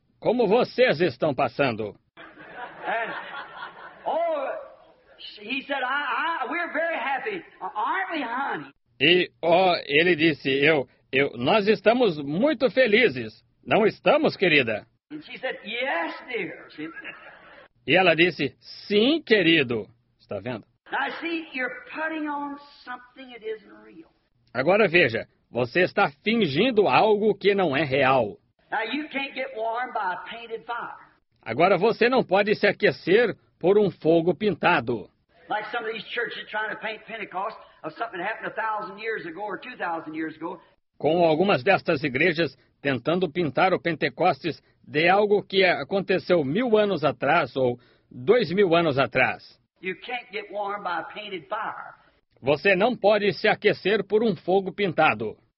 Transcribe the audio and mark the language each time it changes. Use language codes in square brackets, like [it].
[pt] Como vocês estão passando? [en] And, oh, he said, we're very happy. Aren't we, honey? [pt] E, oh, ele disse, nós estamos muito felizes. Não estamos, querida? [en] And she said, yes, dear. [pt] E ela disse, sim, querido. Está vendo? [en] Now, see, you're putting on something that isn't real. [pt] Agora veja, você está fingindo algo que não é real. [en] Now, you can't get warm by a painted fire. [pt] Agora você não pode se aquecer por um fogo pintado. [en] Like some of these churches trying to paint Pentecost of something that happened 1,000 years ago or 2,000 years ago. [pt] Com algumas destas igrejas tentando pintar o Pentecostes de algo que aconteceu 1,000 anos atrás ou 2,000 anos atrás. [en] You can't get warm by a painted fire. [pt] Você não pode se aquecer por um fogo pintado.